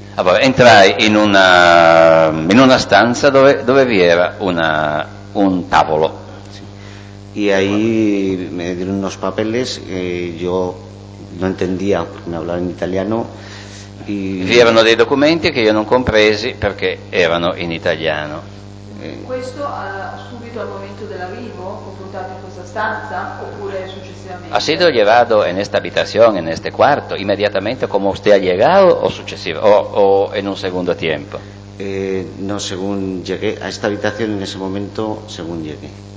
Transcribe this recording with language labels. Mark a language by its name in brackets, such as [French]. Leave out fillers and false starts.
[Italian] allora, entrai in una stanza dove vi era un tavolo, sì. [Spanish] Y ahí me dieron unos papeles yo no entendía, me hablaban en italiano y [Italian] vi erano dei documenti che io non compresi perché erano in italiano. Questo subito al momento dell'arrivo, confrontato in questa stanza, oppure successivamente? [Spanish] Ha sido llevado en esta habitación, en este cuarto, inmediatamente como usted ha llegado o successivo o en un segundo tiempo? No, según llegué a esta habitación en ese momento, según llegué.